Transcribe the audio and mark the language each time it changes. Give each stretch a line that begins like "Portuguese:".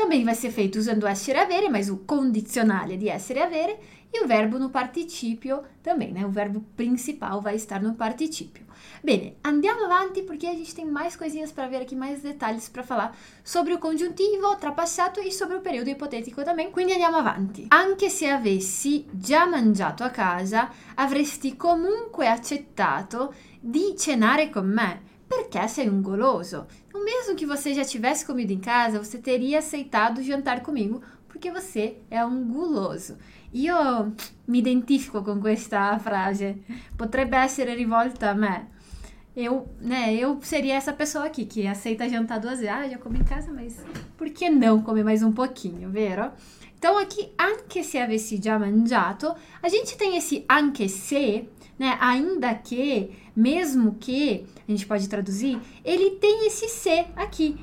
Portuguese: Também vai ser feito usando essere avere, mas o condizionale di essere avere, e o verbo no participio também, né? O verbo principal vai estar no participio.
Italian: Bene, andiamo avanti perché
Portuguese: a gente tem mais coisinhas para ver aqui, mais detalhes para falar sobre o congiuntivo, trapassato e sobre o periodo ipotético também.
Italian: Quindi andiamo avanti. Anche se avessi già mangiato a casa, avresti comunque accettato di cenare con me, perché sei un goloso.
Portuguese: O mesmo que você já tivesse comido em casa, você teria aceitado jantar comigo, porque você é um guloso.
Italian: Io mi identifico con questa frase. Potrebbe essere rivolta a me.
Portuguese: Eu, né, eu seria essa pessoa aqui que aceita jantar duas vezes. Ah, já comi em casa, mas por que não comer mais um pouquinho, vero? Então aqui,
Italian: anche se avessi già mangiato,
Portuguese: a gente tem esse anche se, né, ainda que, mesmo que, a gente pode traduzir, ele tem esse se aqui.